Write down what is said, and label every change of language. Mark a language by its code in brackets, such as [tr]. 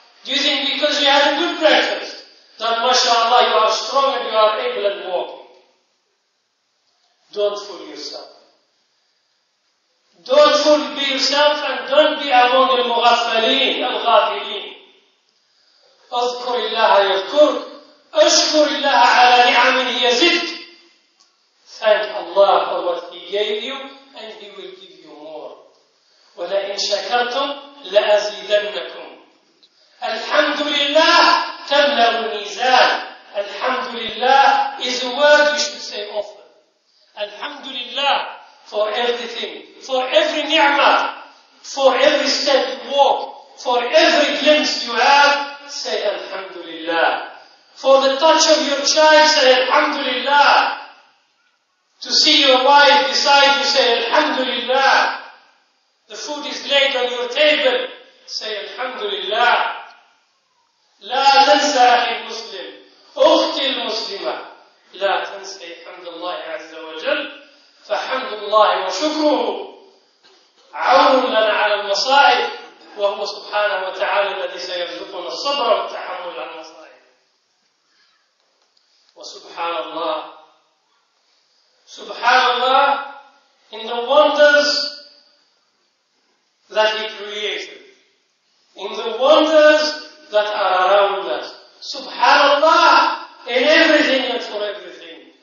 [en] Do you think because you had a good breakfast that, mashallah, you are strong and you are able and walking? Don't fool yourself. Don't fool yourself and don't be among the mughaffaleen, al-ghafileen. [ar] اذكر الله يذكرك اشكر الله على نعم يزدك. [en] Thank Allah for what He gave you and He will give you more. [ar] ولئن شكرتم لأزيدنكم. الحمد لله تملأ الميزان. [en] الحمد لله is a word you should say often. الحمد لله for everything, for every ni'mah, for every step you walk, for every glimpse you have, say Alhamdulillah. For the touch of your child, say Alhamdulillah. To see your wife beside you, say Alhamdulillah. The food is laid on your table, say Alhamdulillah. [ar] لا تنسى أخي المسلم أختي المسلمة لا تنسى الحمد لله عز وجل. فحمد الله وشكره عون لنا على المصائب وهو سبحانه وتعالى الذي سيرزقنا الصبر والتحمل على المصائب. وسبحان الله سبحان الله [en] in the wonders that He created, in the wonders that are around us. سبحان الله in everything and for everything.